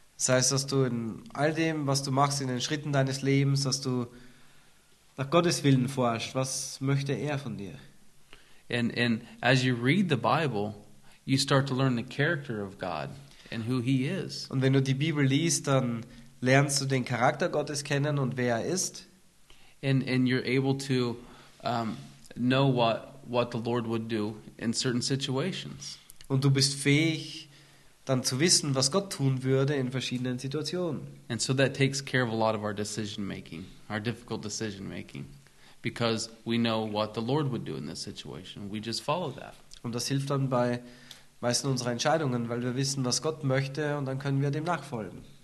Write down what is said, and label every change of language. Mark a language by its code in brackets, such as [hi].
[de] Das heißt, dass du in all dem, was du machst, in den Schritten deines Lebens, dass du nach Gottes Willen forscht, was möchte er von dir? [en] And as you read the Bible, you start to learn the character of God and who he is. [de] Und wenn du die Bibel liest, dann lernst du den Charakter Gottes kennen und wer er ist. [en] And you're able to know what the Lord would do in certain situations. [de] Und du bist fähig, dann zu wissen, was Gott tun würde in verschiedenen Situationen. [en] And so that takes care of a lot of our decision making, our difficult decision making, because we know what the Lord would do in this situation. We just follow that. [de] Und das hilft dann bei meisten unserer Entscheidungen, weil wir wissen, was Gott möchte, und dann können wir dem nachfolgen.